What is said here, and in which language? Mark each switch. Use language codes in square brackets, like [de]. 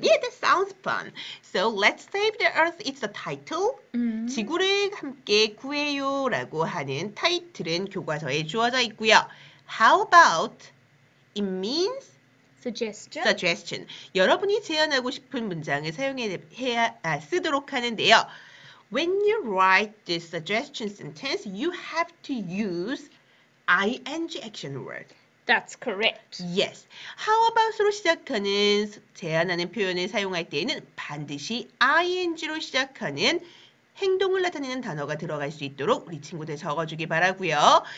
[en] Yeah, that sounds fun. So, Let's Save the Earth. It's the title. [ko] 지구를 함께 구해요 라고 하는 타이틀은 교과서에 주어져 있고요. [en] How about, it means suggestion. Suggestion. [ko] 여러분이 제안하고 싶은 문장을 쓰도록 하는데요. [en] When you write the suggestion sentence, you have to use ing action word. That's correct. Yes. [ko] How about으로 시작하는 제안하는 표현을 사용할 때에는 반드시 ing로 시작하는 행동을 나타내는 단어가 들어갈 수 있도록 우리 친구들 적어주기 바라고요.